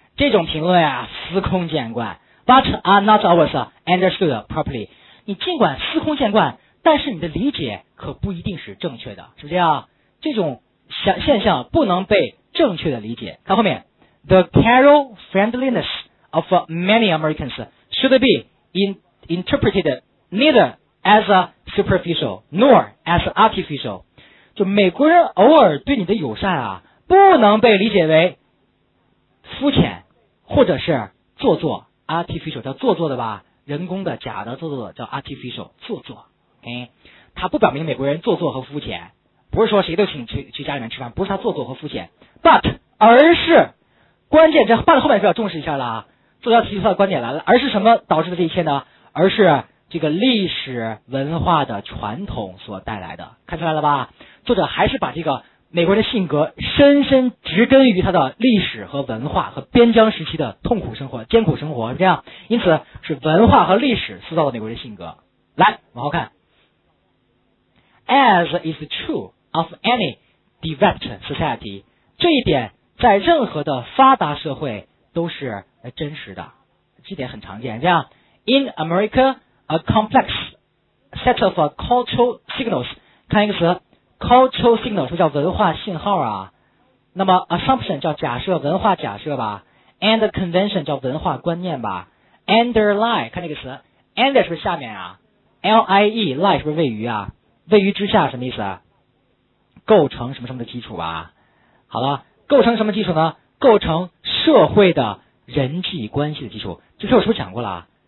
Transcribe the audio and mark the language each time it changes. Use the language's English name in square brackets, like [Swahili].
[English] 这种评论呀、司空见惯，but are not always understood properly。 [Chinese] 你尽管司空见惯，但是你的理解可不一定是正确的，是不是啊？这种现象不能被正确的理解。 [English] 看后面，the casual friendliness of many Americans should be interpreted neither as a superficial nor as artificial。 [Chinese] 就美国人偶尔对你的友善啊，不能被理解为肤浅或者是做作 ，artificial 叫做作的吧，人工的、假的、做作的叫 artificial 做作。哎，他不表明美国人做作和肤浅，不是说谁都请去家里面吃饭，不是他做作和肤浅 ，but 而是关键这 but 后面是要重视一下了啊。作家提出的观点来了，而是什么导致的这一切呢？而是这个历史文化的传统所带来的，看出来了吧？作者还是把这个美国人的性格深深植根于他的历史和文化和边疆时期的痛苦生活、艰苦生活，是这样。因此是文化和历史塑造了美国人的性格。来，往后看。 As is true of any developed society，这一点在任何的发达社会都是真实的，这点很常见。这样 ， In America, a complex set of cultural signals，看一个词 ，cultural signals 叫文化信号啊。那么 assumption 叫假设，文化假设吧 ， and convention 叫文化观念吧 ，underlie 看这个词 ，under 是不是下面啊 ？lie lie 是不是位于啊？位于之下什么意思？构成什么什么的基础吧？好了，构成什么基础呢？构成社会的人际关系的基础，就是我是不是讲过了啊？